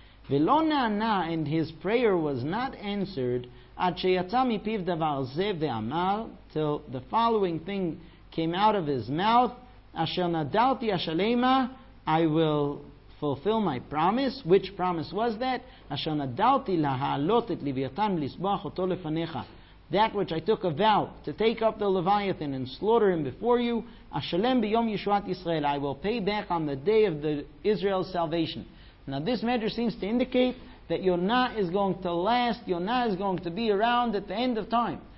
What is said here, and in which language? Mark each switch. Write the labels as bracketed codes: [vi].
[he] ולא נענה, [en] and his prayer was not answered, [he] עד שיצא מפיו דבר זה ואמר, [en] till the following thing came out of his mouth, [he] אשר נדלתי אשלמה, [en] I will fulfill my promise. Which promise was that? [he] אשר נדלתי להעלות את לוויתן ולסבוח אותו לפניך. [en] That which I took a vow to take up the Leviathan and slaughter him before you, [he] Ashalem biyom Yeshuat Yisrael, [en] I will pay back on the day of the Israel's salvation. Now this measure seems to indicate that Yonah is going to last, Yonah is going to be around at the end of time.